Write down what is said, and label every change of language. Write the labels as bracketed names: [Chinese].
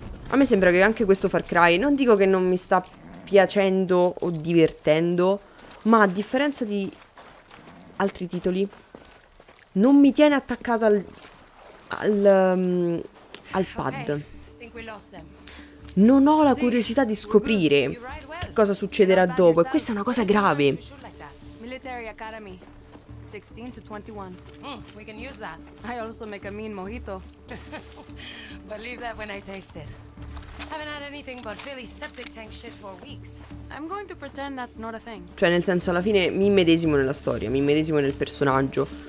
[Italian] A me sembra che anche questo Far Cry, non dico che non mi sta piacendo o divertendo, ma a differenza di altri titoli non mi tiene attaccata al pad. Non ho la curiosità di scoprire che cosa succederà dopo, e questa è una cosa grave. [English] Military Academy 16 to 21. Mm, we can use that. I also make a mean mojito. Believe that when I taste it. Haven't had anything but Philly septic tank shit for weeks. I'm going to pretend that's not a thing. [Italian] Cioè, nel senso, alla fine mi immedesimo nella storia, mi immedesimo nel personaggio.